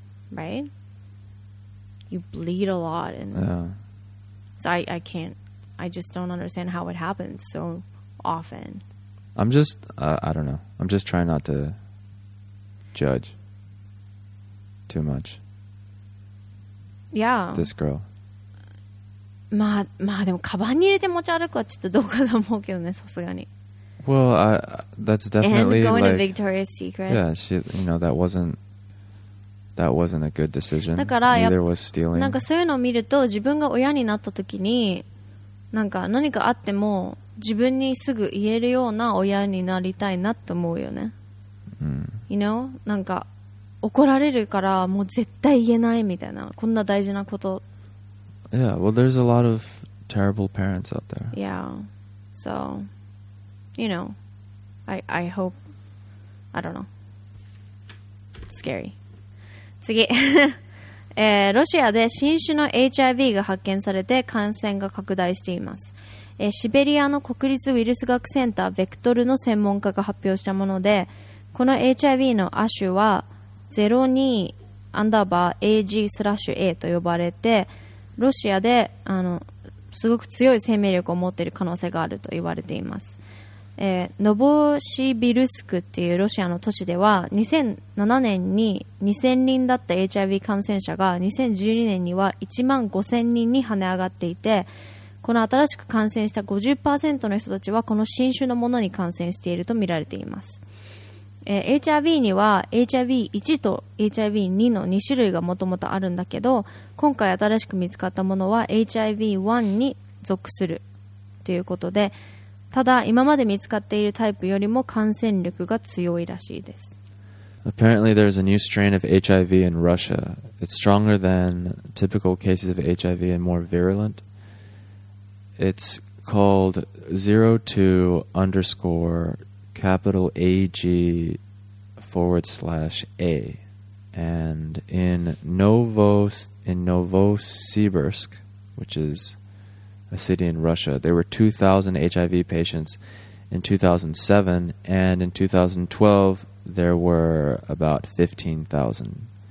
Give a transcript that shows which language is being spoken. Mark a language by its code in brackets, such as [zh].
[en] Right? You bleed a lot. And yeah. So I can't... I just don't understand how it happens so often. I'm just, I don't know. I'm just trying not to judge too much. Yeah. This girl. [ja] まあ、でもカバンに入れて持ち歩くはちょっとどうかと思うけどね、さすがに。 [en] Well, that's definitely like... And going like, to Victoria's Secret. Yeah, she, you know, that wasn't a good decision. [ja] だから、 [en] Neither was stealing. [ja] なんかそういうのを見ると、自分が親になった時に、なんか何かあっても自分にすぐ言えるような親になりたいなと思うよね、 mm. [en] You know? [ja] なんか怒られるからもう絶対言えないみたいな、こんな大事なこと。 [en] Yeah, well there's a lot of terrible parents out there. Yeah, so you know, I hope, I don't know, scary. [ja] 次ロシアで新種の HIV が発見されて感染が拡大しています。シベリアの国立ウイルス学センターベクトルの専門家が発表したもので、この HIV の亜種は02-AG/A と呼ばれて、ロシアであのすごく強い生命力を持っている可能性があると言われています。ノボシビルスクっていうロシアの都市では2007年に2000人だった HIV 感染者が2012年には1万5000人に跳ね上がっていて、この新しく感染した 50% の人たちはこの新種のものに感染していると見られています。 HIV には HIV1 と HIV2 の2種類がもともとあるんだけど、今回新しく見つかったものは HIV1 に属するということで、ただ今まで見つかっているタイプよりも感染力が強いらしいです。 [en] Apparently there is a new strain of HIV in Russia. It's stronger than typical cases of HIV and more virulent. It's called 02-AG/A, and in Novosibirsk, which is a city in Russia, there were 2,000 HIV patients in 2007, and in 2012 there were about 15,000.